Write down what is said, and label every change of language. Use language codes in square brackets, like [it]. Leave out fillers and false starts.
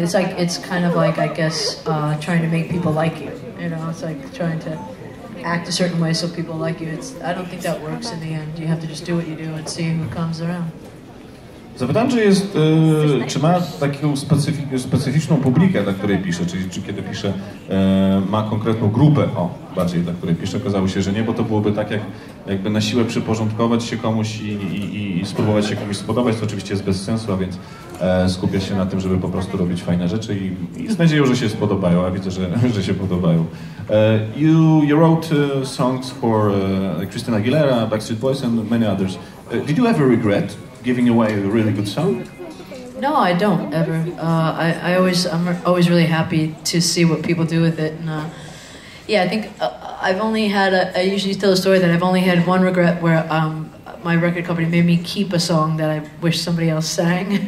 [en] It's like, it's kind of like, I guess, trying to make people like you. You know, it's like trying to act a certain way so people like you. I don't think that works in the end. You have to just do what you do and see who comes around. [pl] Zapytam, czy ma taką specyficzną publikę, dla której pisze, czy kiedy pisze, ma konkretną grupę, o, bardziej, dla której pisze, okazało się, że nie, bo to byłoby tak, jakby na siłę przyporządkować się komuś i spróbować się komuś spodobać, to oczywiście jest bez sensu, a więc skupia się na tym, żeby po prostu robić fajne rzeczy i z nadzieją, że się spodobają, a widzę, że się podobają. [en] You wrote songs for Christina Aguilera, Backstreet Boys and many others. Did you ever regret giving away a really good song? No, I don't ever. I'm always really happy to see what people do with it. And yeah, I think I've only had I usually tell the story that I've only had one regret where my record company made me keep a song that I wish somebody else sang.